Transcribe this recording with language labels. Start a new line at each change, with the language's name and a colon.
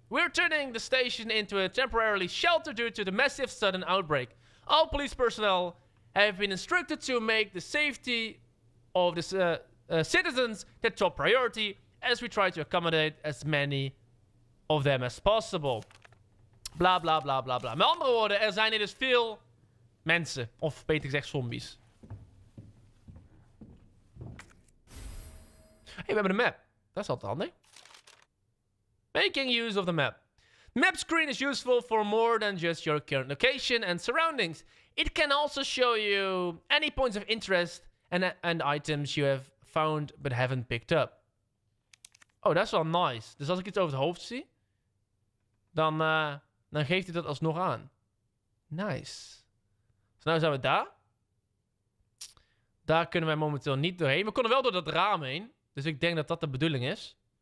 English: We're turning the station into a temporary shelter due to the massive sudden outbreak. All police personnel have been instructed to make the safety... of the citizens the top priority as we try to accommodate as many of them as possible. Bla bla bla bla bla.
Dutch: Met andere woorden, er zijn hier dus veel mensen. Of beter gezegd zombies. Hey, we hebben een map. Dat is altijd handig.
English: making use of the map. The map screen is useful for more than just your current location and surroundings. It can also show you any points of interest and items you have found but haven't picked up.
Dutch: Oh, dat is wel nice. Dus als ik iets over het hoofd zie, dan geeft hij dat alsnog aan. Nice. Dus nou zijn we daar. Daar kunnen wij momenteel niet doorheen. We konden wel door dat raam heen. Dus ik denk dat dat de bedoeling is.